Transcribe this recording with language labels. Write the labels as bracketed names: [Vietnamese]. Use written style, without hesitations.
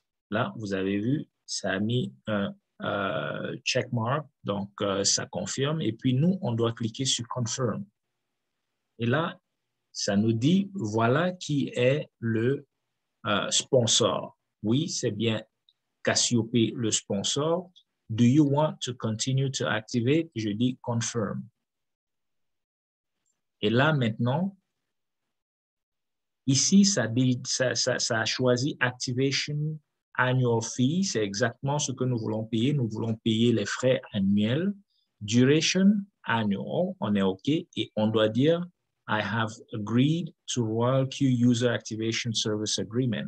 [French] Là, vous avez vu, ça a mis un checkmark, donc ça confirme. Et puis nous, on doit cliquer sur confirm. Et là, ça nous dit, voilà qui est le sponsor. Oui, c'est bien Cassiopée le sponsor. [English] Do you want to continue to activate? [French] Je dis confirm. Et là, maintenant, ici, ça a choisi [English] activation annual fee, [French] c'est exactement ce que nous voulons payer. Nous voulons payer les frais annuels. [English] Duration annual, [French] on est OK. Et on doit dire, [English] I have agreed to RoyalQ User Activation Service Agreement.